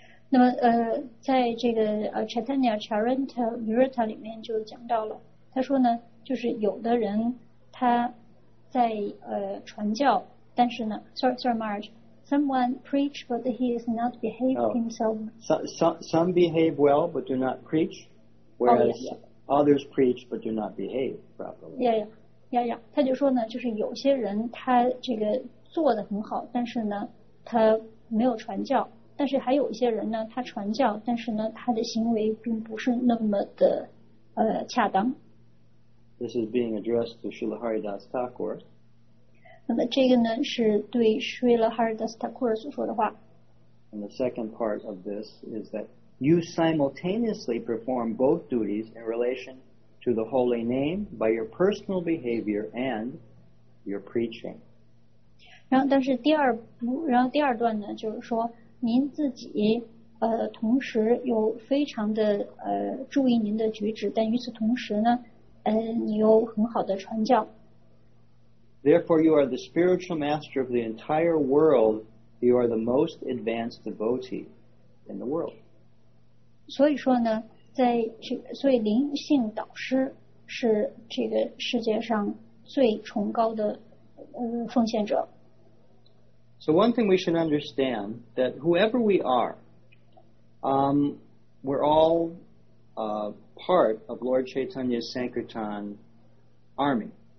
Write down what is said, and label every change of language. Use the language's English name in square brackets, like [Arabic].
[Chinese] 那么在这个Chaitanya Charitamrita 里面就讲到了，他说呢，就是有的人他在传教，但是呢 ， [English] sorry Marge。 Someone preach, but he is not behave himself. Some behave well, but do not preach, whereas others preach, but do not behave properly. Yeah. [Chinese] 他就说呢，就是有些人他这个做得很好，但是呢，他没有传教；但是还有一些人呢，他传教，但是呢，他的行为并不是那么的恰当。 [English] This is being addressed to Srila Haridas Thakur. [Chinese] 那么这个呢是对 Srila Haridas Thakur 所说的话。 [English] And the second part of this is that you simultaneously perform both duties in relation to the holy name by your personal behavior and your preaching. [Chinese] 然后但是第二段呢就是说您自己同时又非常的注意您的举止，但与此同时呢你又很好的传教。 [English] Therefore, you are the spiritual master of the entire world. You are the most advanced devotee in the world. [Chinese] 所以说呢，在这，所以灵性导师是这个世界上最崇高的奉献者。 [English] So one thing we should understand that whoever we are, we're all part of Lord Chaitanya's Sankirtan army.